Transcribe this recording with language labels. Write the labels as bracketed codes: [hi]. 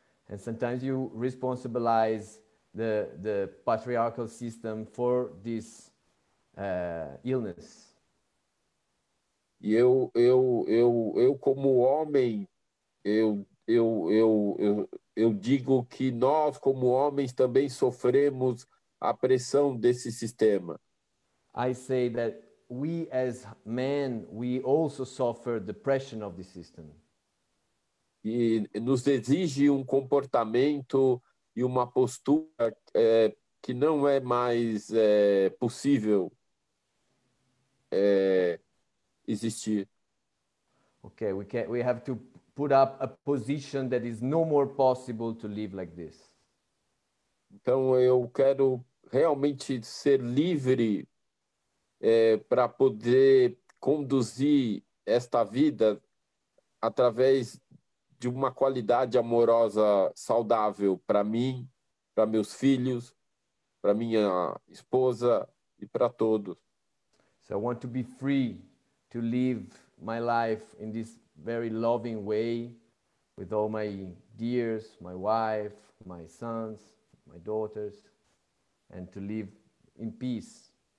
[en] And sometimes you responsabilize the patriarchal system for this illness. [pt] E eu como homem, eu digo que nós como homens também sofremos a pressão desse sistema. [en] I say that we as men, we also suffer the pressure of the system. [pt] E nos exige comportamento e uma postura que não é mais possível existir. [en] Okay, we have to put up a position that is no more possible to live like this. [pt] Então eu quero realmente ser livre para poder conduzir esta vida através de uma qualidade amorosa saudável para mim, para meus filhos, para minha esposa e para todos. [en] So I want to be free to live my life in this very loving way with all my dears, my wife, my sons, my daughters, and to live in peace.